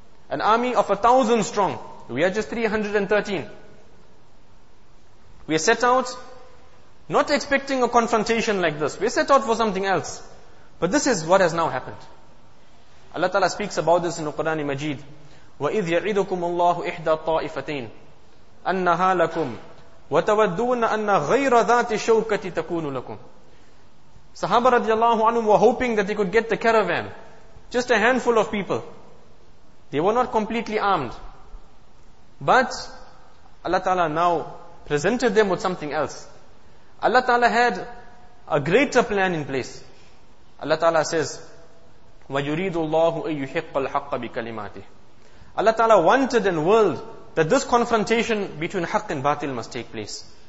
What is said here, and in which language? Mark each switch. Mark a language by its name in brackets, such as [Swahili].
[English] An army of 1,000 strong. We are just 313. We are set out, not expecting a confrontation like this. We are set out for something else. But this is what has now happened. Allah Ta'ala speaks about this in the Quran Majid. [Arabic] وَإِذْ يَعِدُكُمُ اللَّهُ إِحْدَى الطَّائِفَتَيْنِ أَنَّهَا لَكُمْ وَتَوَدُّونَ أَنَّ غَيْرَ ذَاتِ شَوْكَةِ تَكُونُ لَكُمْ [English] Sahaba radiallahu anhum were hoping that they could get the caravan. Just a handful of people. They were not completely armed. But Allah Ta'ala now presented them with something else. Allah Ta'ala had a greater plan in place. Allah Ta'ala says, [Arabic] وَيُرِيدُ اللَّهُ أَن يُحِقَّ الْحَقَّ بِكَلِمَاتِهِ [English] Allah Ta'ala wanted and willed that this confrontation between haqq and batil must take place.